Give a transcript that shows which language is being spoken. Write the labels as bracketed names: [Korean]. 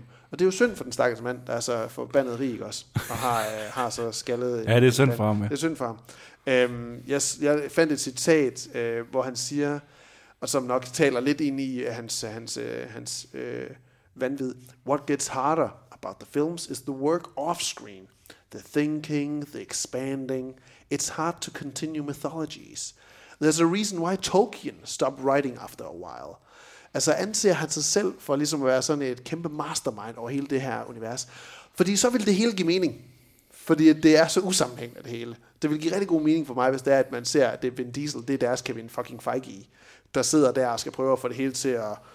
[Danish] Og det er jo synd for den stakkels mand, der er så forbandet rig også, og har, har så skaldet... Ja, det er synd for ham. Ja. Det er synd for ham. Jeg fandt et citat, hvor han siger, og som nok taler lidt ind i hans vanvid. [English] What gets harder about the films is the work off screen. The thinking, the expanding. It's hard to continue mythologies. There's a reason why Tolkien stopped writing after a while. [Danish] Altså anser han sig selv for ligesom at være sådan et kæmpe mastermind over hele det her univers. Fordi så vil det hele give mening. Fordi det er så usammenhængende det hele. Det vil give rigtig god mening for mig, hvis det er, at man ser, at det er Vin Diesel, det er deres Kevin fucking Feige, der sidder der og skal prøve at få det hele til at...